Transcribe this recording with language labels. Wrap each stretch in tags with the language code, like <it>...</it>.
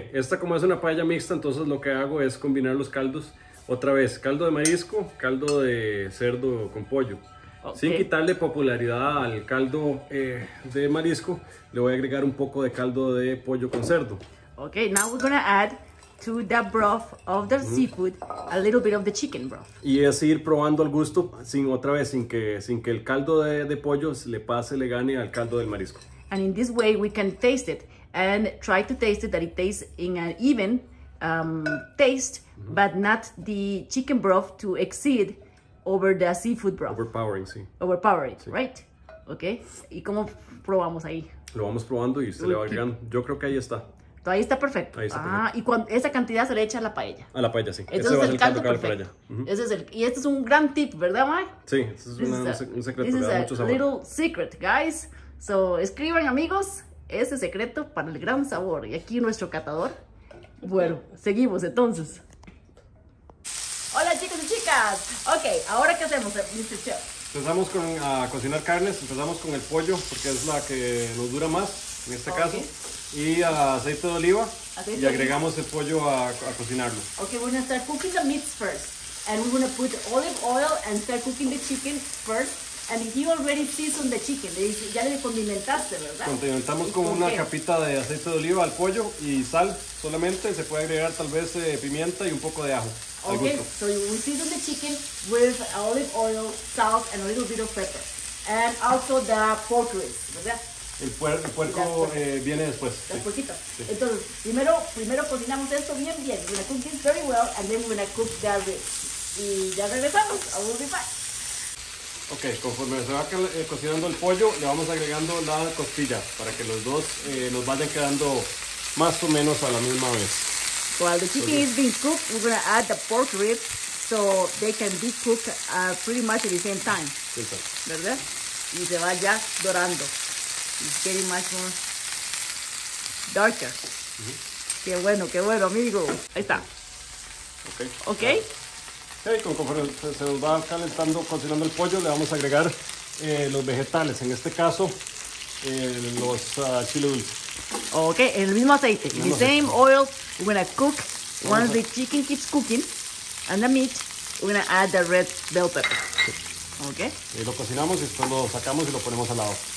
<es>Esta, como es una paella mixta, entonces lo que hago es combinar los caldos. Otra vez, caldo de marisco, caldo de cerdo con pollo. Okay. Sin quitarle popularidad al caldo de marisco, le voy a agregar un poco de caldo de pollo con cerdo.</es> <en>Okay, now we're gonna add to the broth of the seafood a little bit of the chicken broth.</en> <es>Y es ir probando al gusto, sin que el caldo de pollo le gane al caldo del marisco.</es> <en>And in this way we can taste it and try to taste it that it tastes in an even taste, but not the chicken broth to exceed over the seafood broth. Overpowering, sí.</en> <es>Overpowering, sí. Right? Okay. ¿Y cómo probamos ahí? Lo vamos probando y le va agregando. Yo creo que ahí está. Ahí está perfecto. Ahí está perfecto. Y esa cantidad se le echa a la paella. A la paella, sí. Entonces ese va a ser el caldo perfecto. Para allá. Uh-huh. Ese es el, y este es un gran tip, ¿verdad, Mike? Sí, este es un secreto.</es> <en>This is a little secret, guys. So,</en> <es>escriban, amigos. ese secreto para el gran sabor. Y aquí nuestro catador. Bueno, seguimos entonces. Hola chicos y chicas. Ok, ¿ahora qué hacemos, Mr. Chef? Empezamos con a cocinar carnes. Empezamos con el pollo, porque es la que nos dura más, en este caso. Y aceite de oliva. Y agregamos el pollo a cocinarlo.</es> <en>Ok, we're going to start cooking the meats first. And we're going to put olive oil and start cooking the chicken first. And you already seasoned the chicken.</en> <es>Ya le condimentaste, ¿verdad? Condimentamos con una capita de aceite de oliva al pollo y sal solamente. Se puede agregar tal vez pimienta y un poco de ajo.</es> <en>Ok, so we season the chicken with olive oil, salt, and a little bit of pepper. And also the pork ribs, ¿verdad?</en> <es>El puerco viene después. Puerquito. Sí. Entonces, primero cocinamos esto bien.</es> <en>We're going to cook this very well, and then we're going to cook the ribs.</en> <es>Y ya regresamos.</es> <en>I will be back.</en> <es>Ok, conforme se va cocinando el pollo, le vamos agregando la costilla para que los dos nos vayan quedando más o menos a la misma vez.</es> <en>While the chicken is being cooked, we're going to add the pork ribs so they can be cooked pretty much at the same time.</en> <es>Sí, sí. ¿Verdad? Y se va ya dorando.</es> <en>It's getting much more darker.</en> <es>Mm-hmm. Qué bueno, amigo. Ahí está. Ok. Ok. Sí, conforme se nos va calentando, cocinando el pollo, le vamos a agregar los vegetales, en este caso, los chile dulce. Ok, en el mismo aceite.</es> <en>The same oil, we're going to cook, once the chicken keeps cooking, and the meat, we're going to add the red bell pepper. Ok.</en> <es>Y lo cocinamos y después lo sacamos y lo ponemos al lado.</es>